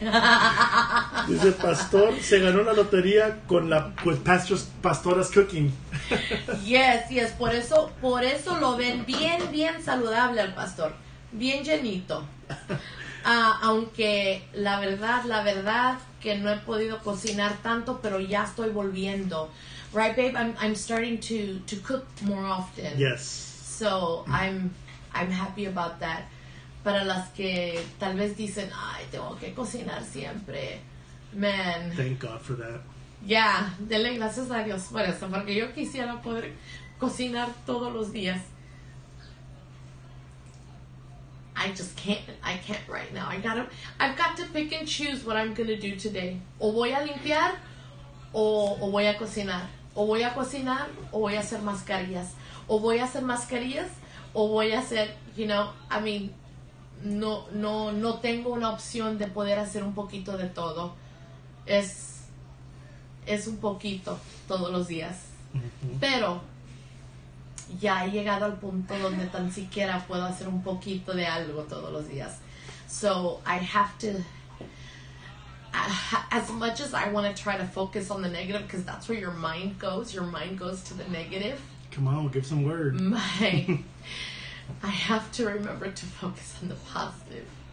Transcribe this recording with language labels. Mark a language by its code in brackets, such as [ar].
[es] Dice Pastor, se ganó la lotería con la [en] with Pastora's cooking. Yes. [es] Por eso lo ven bien, bien saludable al Pastor. Bien llenito. Aunque la verdad que no he podido cocinar tanto, pero ya estoy volviendo. [en] Right, babe, I'm starting to cook more often. Yes. So I'm happy about that. [es] Para las que tal vez dicen, ay, tengo que cocinar siempre. [en] Man. Thank God for that. [es] Yeah, dele gracias a Dios por eso, porque yo quisiera poder cocinar todos los días. [en] I just can't. I can't right now. I've got to pick and choose what I'm going to do today. [es] O voy a limpiar, o voy a cocinar. O voy a cocinar o voy a hacer mascarillas. O voy a hacer mascarillas o voy a hacer, [en] you know, I mean, [es] no tengo una opción de poder hacer un poquito de todo. Es un poquito todos los días. Pero ya he llegado al punto donde tan siquiera puedo hacer un poquito de algo todos los días. [en] So I have to, as much as I want to try to focus on the negative, because that's where your mind goes to the negative. Come on, give some word. I have to remember to focus on the positive.